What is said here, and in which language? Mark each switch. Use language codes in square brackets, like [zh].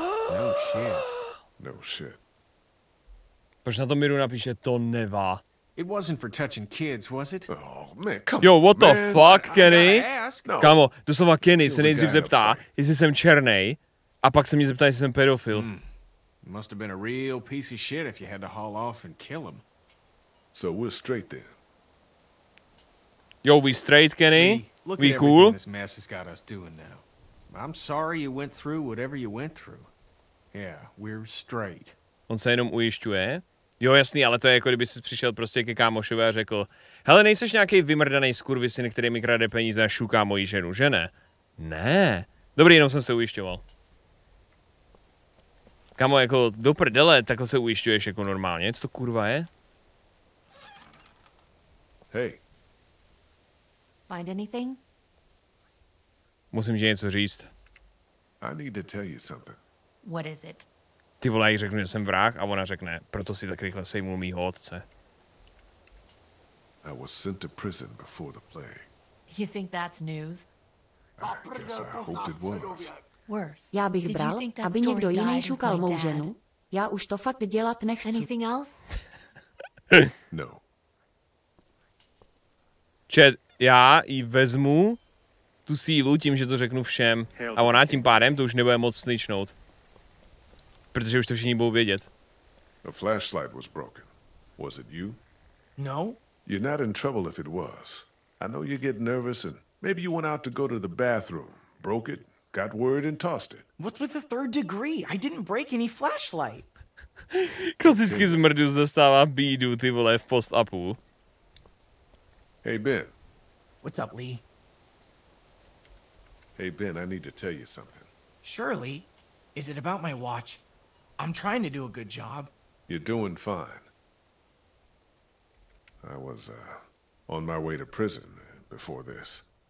[en] No shit. No shit. [cs] Proč na to Miru napíše, to nevá? [en] It wasn't for touching kids, was it? Oh, man, come Yo, what man, the fuck, Kenny? No. [cs] Kámo, doslova Kenny se nejdřív zeptá, jestli jsem černej, a pak se mě zeptá, jestli jsem pedofil. [en] Must have been a real piece of shit if you had to haul off and kill him. So we're straight then. Yo, we straight, Kenny? We cool? Look at everything this mess has got us doing now. I'm sorry you went through whatever you went through. Yeah, we're straight. [cs] On se jenom ujišťuje. Jo, jasný, ale to je jako kdyby jsi přišel prostě ke kámošovi a řekl: hele, nejseš nějaký vymrdaný skurvisin, který mi krade peníze a šuká moji ženu, že ne? Ne. Dobrý, jenom jsem se ujišťoval. Kámo, jako do prdele, takhle se ujišťuješ jako normálně. Co to kurva je? [en] Hey. Find anything? [cs] Musím ti něco říct. [en] I need to tell you something. What is it? [cs] Ty vole, já jí řeknu, že jsem vrah, a ona řekne, proto si tak rychle sejmul mýho otce. [en] I was sent to prison before the plague. You think that's news? I hoped it was. Worse. [cs] Já bych bral, aby někdo jiný šukal mou ženu. Já už to fakt dělat nechci. [en] Anything else? No. [cs] Čet, já jí vezmu tu sílu tím, že to řeknu všem. A ona tím pádem to už nebude moc sničnout. Protože už to všichni budou vědět. [en] A flashlight was broken. Was it you? No. You're not in trouble if it was. I know you get nervous and maybe you went out to go to the bathroom, broke it, got worried and tossed it. What's with the third degree? I didn't break any flashlight. [cs] Klasický zmrdus dostává bídu, ty vole, v post-upu. [en] Hey, Ben. What's up, Lee? Hey, Ben, I need to tell you something. Sure, Lee. Is it about my watch? I'm trying to do a good job. You're doing fine. I was on my way to prison before this.